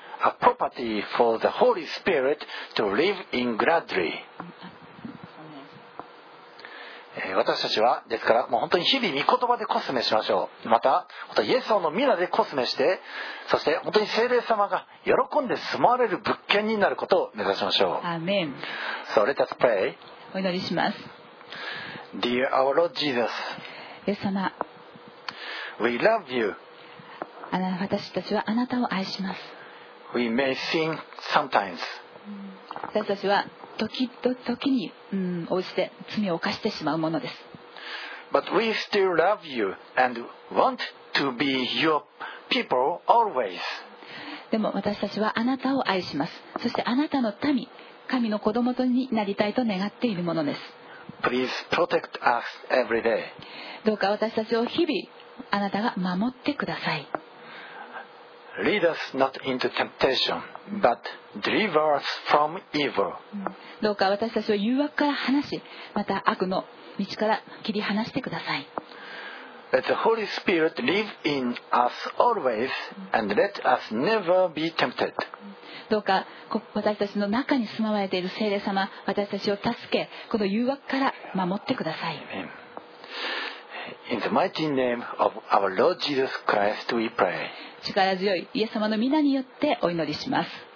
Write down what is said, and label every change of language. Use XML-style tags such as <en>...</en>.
<en>A property for the Holy Spirit to live in gladly.</en> <ja>私たちはですから、もう本当に日々御言葉でコスメしましょう。また、イエス様の御名でコスメして、そして本当に聖霊様が喜んで住まわれる物件になることを目指しましょう。アーメン。</ja> <en>So let us pray.</en> <ja>お祈りします。</ja> <en>Dear our Lord Jesus,</en> <ja>イエス様、</ja> <en>We love you.</en> <ja>私たちはあなたを愛します。</ja> <en>We may sin sometimes.</en> <ja>私たちは時に、応じて罪を犯してしまうものです。</ja> <en>But we still love you and want to be your people always.</en> <ja>でも私たちはあなたを愛します。そしてあなたの民、神の子供になりたいと願っているものです。</ja> <en>Please protect us every day.</en> <ja>どうか私たちを日々あなたが守ってください。</ja> <en>Lead us not into temptation, but deliver us from evil.</en> <ja>どうか私たちを誘惑から離し、また悪の道から切り離してください。</ja> <en>Let the Holy Spirit live in us always and let us never be tempted.</en> <ja>どうか私たちの中に住まわれている聖霊様、私たちを助け、この誘惑から守ってください。</ja> <en>In the mighty name of our Lord Jesus Christ we pray.</en> <ja>力強いイエス様の御名によってお祈りします。</ja>